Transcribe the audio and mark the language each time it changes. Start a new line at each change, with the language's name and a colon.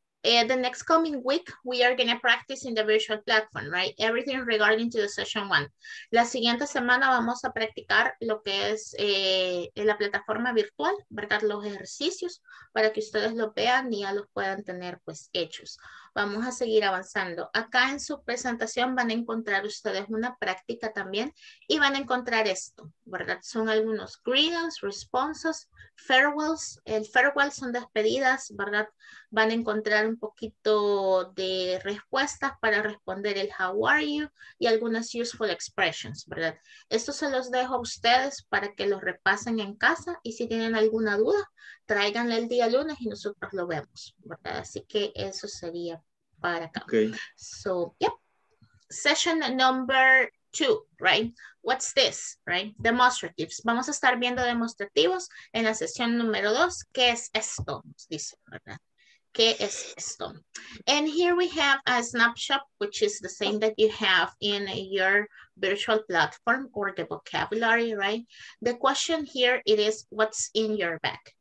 English: The next coming week, we are going to practice in the virtual platform, right? Everything regarding to the session one.
Spanish: La siguiente semana vamos a practicar lo que es en la plataforma virtual, ¿verdad? Los ejercicios para que ustedes lo vean y ya los puedan tener pues hechos. Vamos a seguir avanzando. Acá en su presentación van a encontrar ustedes una práctica también y van a encontrar esto, ¿verdad? Son algunos greetings, responses, farewells. El farewell son despedidas, ¿verdad? Van a encontrar un poquito de respuestas para responder el how are you y algunas useful expressions, ¿verdad? Esto se los dejo a ustedes para que los repasen en casa y si tienen alguna duda, tráiganle el día lunes y nosotros lo vemos, ¿verdad? Así que eso sería para acá.
English: Okay. So, yep. Session number 2, right? What's this, right? Demonstratives.
Spanish: Vamos a estar viendo demostrativos en la sesión número 2. ¿Qué es esto? Nos dice, ¿verdad? ¿Qué es esto?
English: And here we have a snapshot, which is the same that you have in your virtual platform or the vocabulary, right? The question here, it is, what's in your bag?